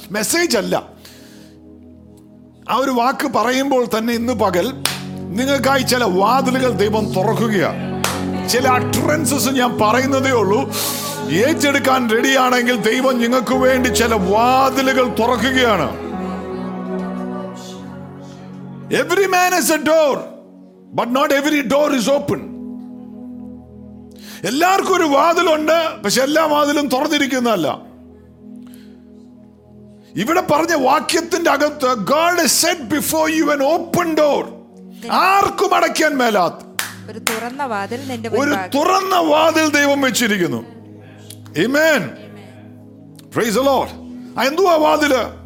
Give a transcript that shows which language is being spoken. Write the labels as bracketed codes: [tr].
[ml] Message അല്ല, ആ ഒരു വാക്ക് പറയുമ്പോൾ തന്നെ ഇന്ന് പകൽ നിങ്ങൾക്കായി ചില വാതിലുകൾ ദൈവം തുറക്കുകയാണ്. ചില അട്രൻസസ് ഞാൻ പറയുന്നതേ ഉള്ളൂ. ഏറ്റെടുക്കാൻ റെഡിയാണെങ്കിൽ ദൈവം നിങ്ങൾക്ക് വേണ്ടി ചില വാതിലുകൾ തുറക്കുകയാണ്. [en] Every man has a door, but not every door is open. [ml] എല്ലാവർക്കും ഒരു വാതിലുണ്ട്, പക്ഷെ എല്ലാ വാതിലും തുറന്നിരിക്കുന്നതല്ല. ഇവിടെ പറഞ്ഞ വാക്യത്തിന്റെ അകത്ത് [en] God has set before you an open door. [ml] ആർക്കും അടയ്ക്കാൻ മേലാത്ത ഒരു തുറന്ന വാതിൽ ദൈവം വെച്ചിരിക്കുന്നു. ആമേൻ. [en] Praise the lord. [ml] എന്തുവാ വാതില്?